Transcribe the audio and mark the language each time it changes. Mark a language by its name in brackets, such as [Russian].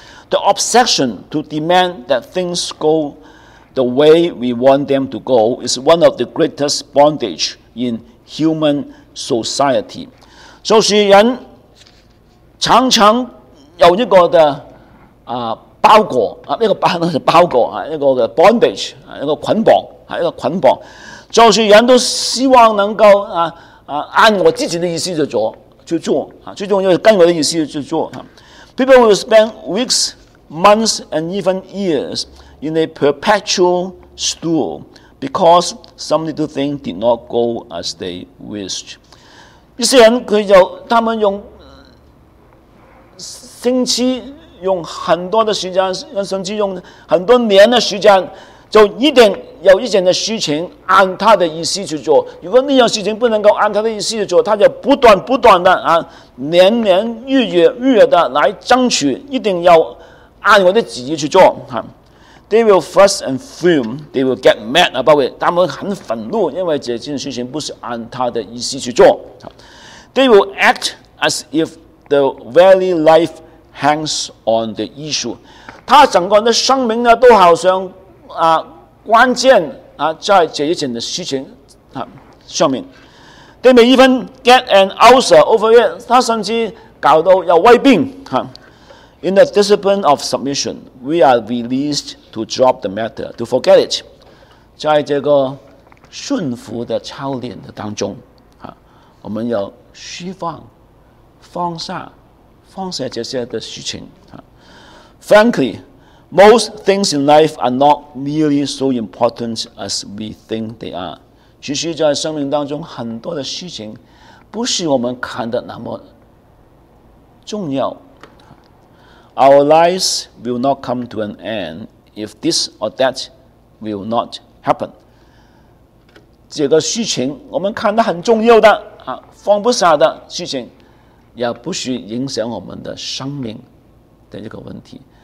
[English] The obsession to demand that things go the way we want them to go is one of the greatest bondage in human society。 [Chinese] 就是人常常有一个的包裹啊，一个包裹啊，一个的 bondage 啊，一个捆绑啊，一个捆绑，就是人都希望能够按我自己的意思去做去做啊，最重要是跟我的意思去做啊。 [English] People will spend weeks, months, and even years in a perpetual stool because some little thing did not go as they wished. [Chinese] 一些人可以有，他们用星期，用很多的时间，甚至用很多年的时间，就一点有一点的事情按他的意思去做。如果那样事情不能够按他的意思去做，他就不断不断的啊，年年月月月月的来争取，一定要按我的旨意去做啊。 [English] They will fuss and fume, they will get mad about it。 [Chinese] 他们很愤怒，因为这件事情不是按他的意思去做。 [English] They will act as if the very life hangs on the issue。 [Chinese] 他整个的生命呢，都好像关键在这一件的事情上面。 [English] They may even get an ulcer over it， [Chinese] 他甚至搞到有胃病。 [English] In the discipline of submission, we are released to drop the matter, to forget it。 [Chinese] 在这个顺服的操练的当中，我们要释放放下这些的事情。 [English] Frankly,Most things in life are not nearly so important as we think they are。 [Chinese] 其实在生命当中很多的事情不是我们看的那么重要。 [English] Our lives will not come to an end if this or that will not happen。 [Chinese] 这个事情我们看得很重要的，放不下的事情也不许影响我们的生命的一个问题。